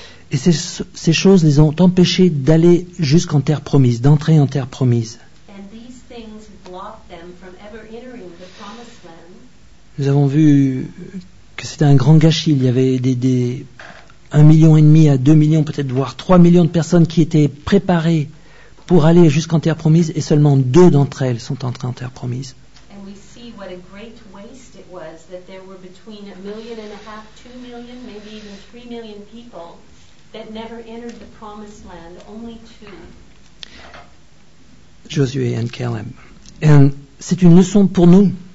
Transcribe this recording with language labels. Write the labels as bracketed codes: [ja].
[fr] Et ces choses les ont empêchés d'aller jusqu'en terre promise, d'entrer en terre promise. [en] And these things blocked them from ever entering the promised land. [fr] Nous avons vu que c'était un grand gâchis. Il y avait des 1,5 million à 2 millions, peut-être voire 3 millions de personnes qui étaient préparées pour aller jusqu'en terre promise, et seulement 2 d'entre elles sont entrées en terre promise. [en] And we see what a great waste it was that there were between 1.5 million, 2 million, maybe even 3 million people that never entered the promised land. Only 2. Josué and Caleb. [fr] And c'est une leçon pour nous.